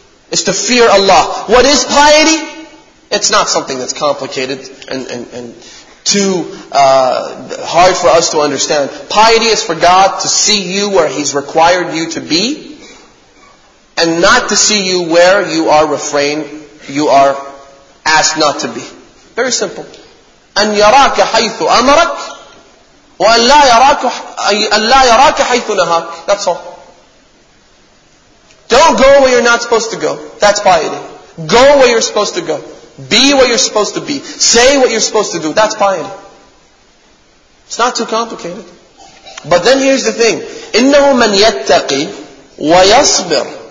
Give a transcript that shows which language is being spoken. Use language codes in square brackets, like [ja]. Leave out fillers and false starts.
[en] It's to fear Allah. What is piety? It's not something that's complicated and too hard for us to understand. Piety is for God to see you where He's required you to be, and not to see you where you are refrained, you are asked not to be. Very simple. [ar] أن يراك حيث أمرك وأن لا يراك حيث نهاك. [en] That's all. Don't go where you're not supposed to go. That's piety. Go where you're supposed to go. Be where you're supposed to be. Say what you're supposed to do. That's piety. It's not too complicated. But then here's the thing. [ar] إنه من يتقي ويصبر.